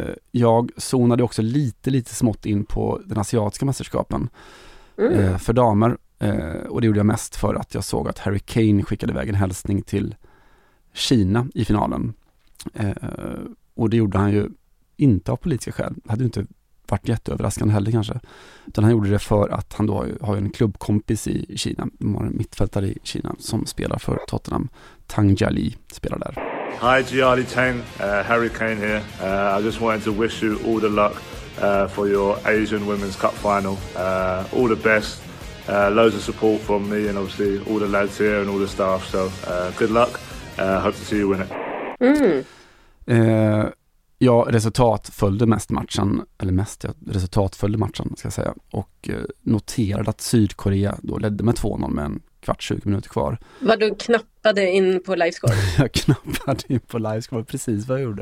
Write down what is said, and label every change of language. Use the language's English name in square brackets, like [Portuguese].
[Swedish] Jag zonade också lite smått in på den asiatiska mästerskapen för damer, och det gjorde jag mest för att jag såg att Harry Kane skickade iväg en hälsning till Kina i finalen, och det gjorde han ju inte av politiska skäl, det hade ju inte varit jätteöverraskande heller kanske, utan han gjorde det för att han då har en klubbkompis i Kina, en mittfältare i Kina som spelar för Tottenham, Tang Jiali spelar där. [English] Hi, Jiali Tang, Harry Kane here. I just wanted to wish you all the luck for your Asian Women's Cup final. All the best, loads of support from me and obviously all the lads here and all the staff. So good luck, hope to see you win it. [Swedish] Ja, resultat följde mest matchen, resultat följde matchen ska jag säga. Och noterade att Sydkorea då ledde med 2-0 med en kvart 20 minuter kvar. Vad du knappade in på livescore? Jag knappade in på livescore, precis vad jag gjorde.